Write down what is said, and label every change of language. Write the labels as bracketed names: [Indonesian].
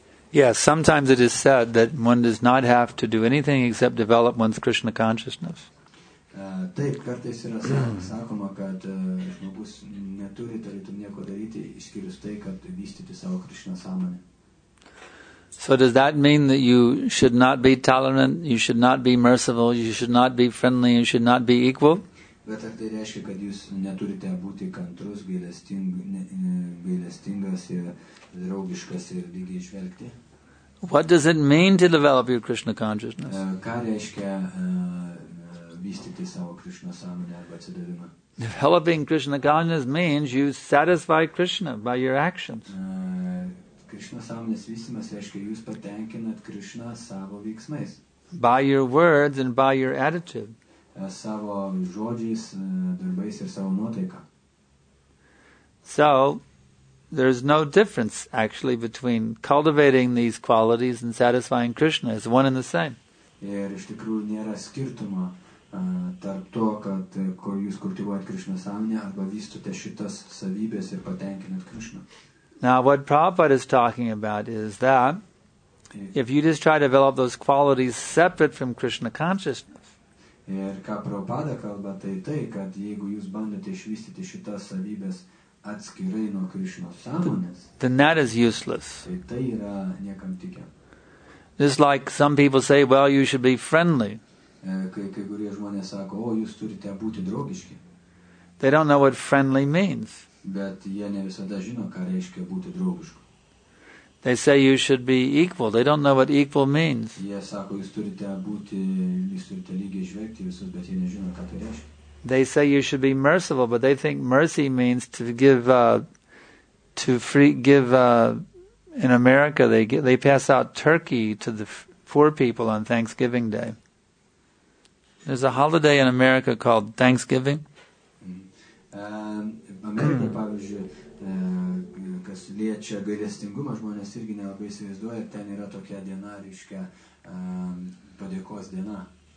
[English] Yes, sometimes it is said that one does not have to do anything except develop one's Krishna consciousness. [Lithuanian] Taip, kartais yra sakoma, kad žmogus neturi tarytum nieko daryti, išskyrus tai, kad vystyti savo Krishna sąmonę. [English] So does that mean that you should not be tolerant, you should not be merciful, you should not be friendly, you should not be equal? [Lithuanian] Bet ar tai reiškia, kad jūs neturite būti kantrus, gailestingas ir draugiškas ir lygiai žvelgti? [English] What does it mean to develop your Krishna consciousness? [Lithuanian] Ką reiškia vystyti savo Krishna sąmonę arba atsidavimą? [English] Developing Krishna consciousness means you satisfy Krishna by your actions. [Lithuanian] Krishna sąmonės vystymas reiškia, jūs patenkinat Krishna savo veiksmais. [English] By your words and by your attitude. [Lithuanian] Savo žodžiais, darbais ir savo nuotaika. [English] So, there is no difference actually between cultivating these qualities and satisfying Krishna. It's one and the same. [Lithuanian] Ir iš tikrųjų nėra skirtumo tarp to, kad kur jūs kultivuojat Krishna sąmonę arba vystote šitas savybės ir patenkinat Krishna. [English] Now, what Prabhupada is talking about is that if you just try to develop those qualities separate from Krishna consciousness, [Lithuanian] ir ką Prabhupada kalba, tai, kad jeigu jūs bandote išvystyti šitas savybės atskirai nuo Krishna sąmonės, [English] then that is useless. [Lithuanian] Tai yra niekam tikę. [English] Just like some people say, well, you should be friendly. [Lithuanian] Kai kurie žmonės sako, jūs turite būti draugiški. [English] They don't know what friendly means. [Lithuanian] Bet jie ne visada žino, ką reiškia būti draugišku. [English] They say you should be equal. They don't know what equal means. [Lithuanian] Jie sako, jūs turite būti, jūs turite lygiai žvelgti visus, bet jie nežino, ką tai reiškia. [English] They say you should be merciful, but they think mercy means to give in America they pass out turkey to the poor people on Thanksgiving Day. There's a holiday in America called Thanksgiving. [Lithuanian] Amerikoje, pavyzdžiui, kas liečia gailestingumą, žmonės irgi nelabai įsivaizduoja, ten yra tokia diena, reiškia, padėkos diena.